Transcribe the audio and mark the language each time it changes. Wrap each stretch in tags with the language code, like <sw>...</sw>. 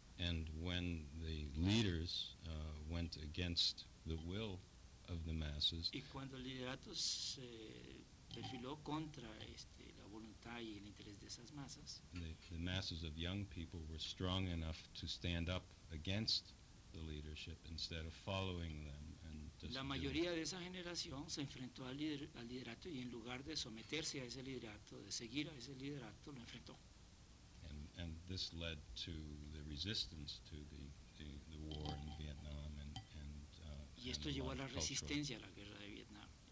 <en>And when the leaders went against the will of the masses.</en> <es>Y cuando el liderato se perfiló contra la voluntad y el interés de esas masas.</es> <en>The masses of young people were strong enough to stand up against the leadership instead of following them. And</en> <es>la mayoría de esa generación se enfrentó al liderato y en lugar de someterse a ese liderato, de seguir a ese liderato, lo enfrentó.</es> <en>And this led to the resistance to the war in Vietnam and</en> <es>y esto llevó a la resistencia a la guerra de Vietnam.</es>